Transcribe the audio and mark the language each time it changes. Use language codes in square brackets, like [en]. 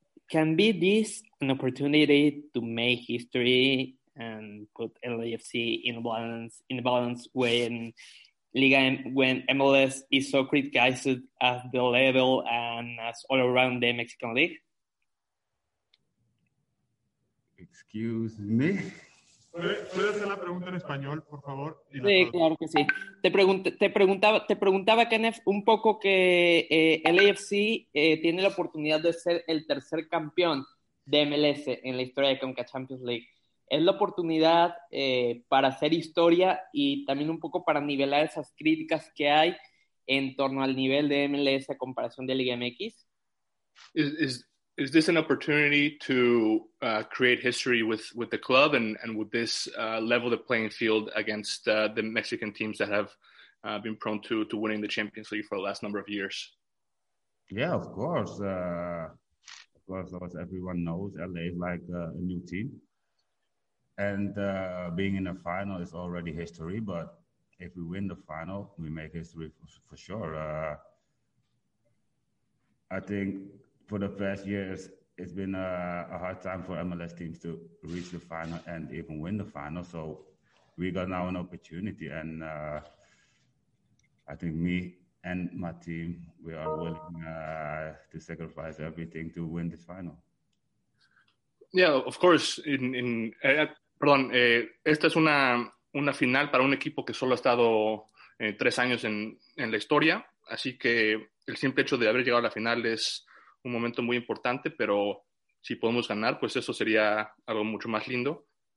[en] Can be this an opportunity to make history and put LAFC in balance when MLS is so criticized at the level and as all around the Mexican League? Excuse me. [es] ¿Puedes hacer la pregunta en español, por favor? Sí, claro que sí. Te preguntaba, Kenneth, un poco que LAFC tiene la oportunidad de ser el tercer campeón de MLS en la historia de CONCACAF Champions League. ¿Es la oportunidad para hacer historia y también un poco para nivelar esas críticas que hay en torno al nivel de MLS a comparación de Liga MX? [en] Is this an opportunity to create history with the club and would this level the playing field against the Mexican teams that have been prone to winning the Champions League for the last number of years? Yeah, of course. Of course, everyone knows LA is like a new team. And being in a final is already history, but if we win the final, we make history for sure. I think for the past years, it's been a hard time for MLS teams to reach the final and even win the final. So we got now an opportunity. And I think me and my team, we are willing to sacrifice everything to win this final. Yeah, of course. [es] Esta es una final para un equipo que solo ha estado 3 años en la historia. Así que el simple hecho de haber llegado a la final es un momento muy importante, pero si podemos ganar, pues eso sería algo mucho más lindo.